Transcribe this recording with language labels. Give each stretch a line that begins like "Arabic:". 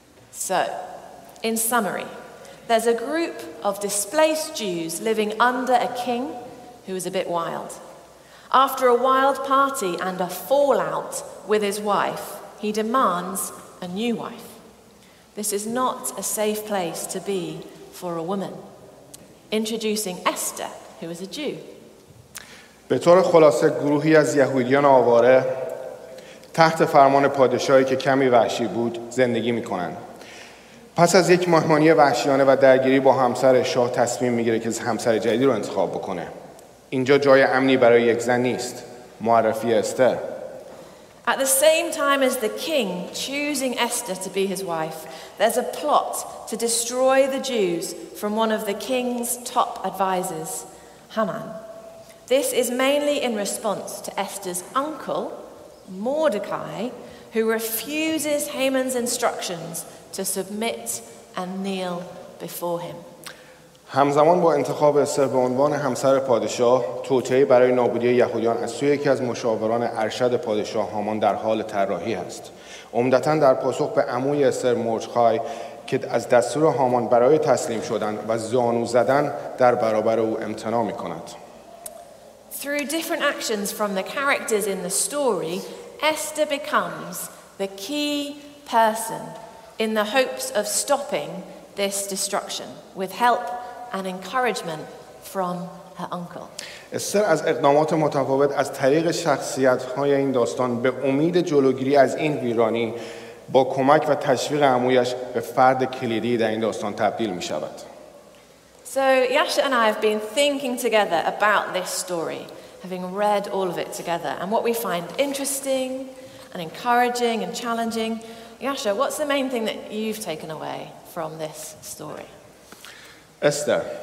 English: So, in summary, there's a group of displaced Jews living under a king who is a bit wild. After a wild party and a fallout with his wife, he demands a new wife. This is not a safe place to be for a woman. Introducing Esther, who is a Jew.
Persian: به طور خلاصه گروهی از یهودیان آواره تحت فرمان پادشاهی که کمی وحشی بود زندگی میکنند. پس از یک مهمانی وحشیانه و درگیری با همسر شاه تصمیم میگیره که همسر جدید رو انتخاب بکنه. اینجا جای امنی برای یک زن نیست. معرفی استر.
English: At the same time as the king choosing Esther to be his wife, there's a plot to destroy the Jews from one of the king's top advisors, Haman. This is mainly in response to Esther's uncle, Mordecai, who refuses Haman's instructions to submit and kneel before him.
Persian: همزمان با انتخاب اسر به عنوان همسر پادشاه، توطئه برای نابودی یهودیان از سوی یکی از مشاوران ارشد پادشاه هامان در حال طراحی است. عمدتاً در پاسخ به عموی اسر مردخای که از دستور هامان برای تسلیم شدن و زانو زدن در برابر او امتناع می‌کند.
English: Through different actions from the characters in the story, Esther becomes the key person in the hopes of stopping this destruction with help and encouragement from her uncle.
Persian: اسر از اقدامات متفاوت از طریق شخصیت‌های این داستان به امید جلوگیری از این ویرانی با کمک و تشویق عمویش به فرد کلیدی در این داستان تبدیل می‌شود.
English: So Yasha and I have been thinking together about this story, having read all of it together, and what we find interesting and encouraging and challenging. Yasha, what's the main thing that you've taken away from this story? Esther.